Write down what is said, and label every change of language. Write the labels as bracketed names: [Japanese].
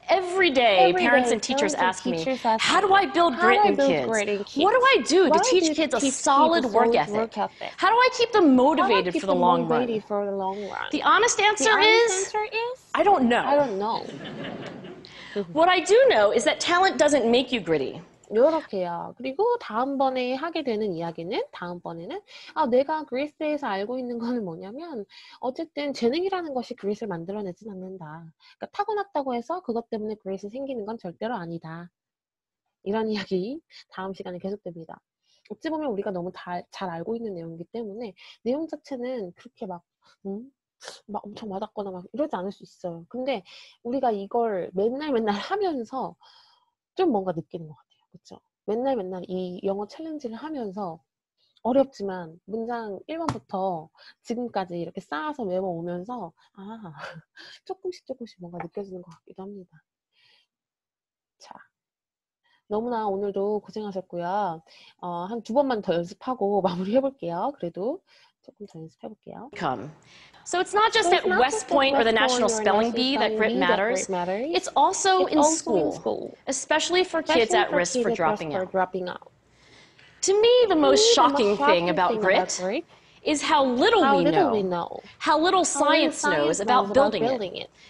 [English] Every day, parents and teachers ask me, how do I build grit in kids? What do I do to teach kids a solid work ethic? How do I keep them motivated for the long run? The honest answer is, I don't know. What I do know is that talent doesn't make you gritty. [Korean] 요렇게요. 그리고 다음번에 하게 되는 이야기는 다음번에는 내가 그릿에 대해서 알고 있는 거는 뭐냐면 어쨌든 재능이라는 것이 그릿을 만들어내진 않는다. 그러니까 타고났다고 해서 그것 때문에 그릿이 생기는 건 절대로 아니다. 이런 이야기 다음 시간에 계속됩니다. 어찌 보면 우리가 너무 잘 알고 있는 내용이기 때문에 내용 자체는 그렇게 막 엄청 와닿거나 막 이러지 않을 수 있어요. 근데 우리가 이걸 맨날 하면서 좀 뭔가 느끼는 것 같아요. 그렇죠. 맨날 이 영어 챌린지를 하면서 어렵지만 문장 1번부터 지금까지 이렇게 쌓아서 외워오면서 조금씩 뭔가 느껴지는 것 같기도 합니다. 자, 너무나 오늘도 고생하셨고요. 한 두 번만 더 연습하고 마무리 해볼게요. 그래도 조금 더 연습해볼게요. [English] Come. So it's not just at West Point or the National Spelling Bee that grit matters. It's also in school, especially for kids at risk for dropping out. To me, the most shocking thing about grit is how little we know, how little science knows about building it.